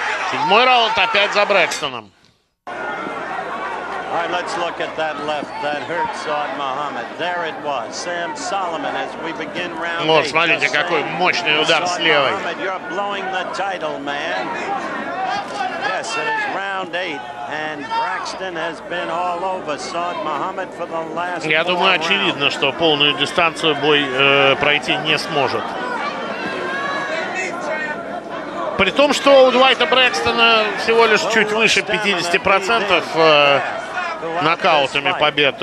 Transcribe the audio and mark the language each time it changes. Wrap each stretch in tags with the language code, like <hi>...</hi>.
<ru>Седьмой раунд опять за Брэкстоном.</ru> <en>All right, let's look at that left that hurt Saad Muhammad. There it was, Sam Solomon, as we begin round eight.</en> <ru>Вот, смотрите, какой мощный удар с левой.</ru> <en>Muhammad, you're blowing the title, man. Yes, it is round eight, and Braxton has been all over Saad Muhammad for the last four rounds.</en> <ru>Я думаю, очевидно, что полную дистанцию бой пройти не сможет. При том, что у Дуайта Брэкстона всего лишь чуть выше 50% нокаутами побед.</ru>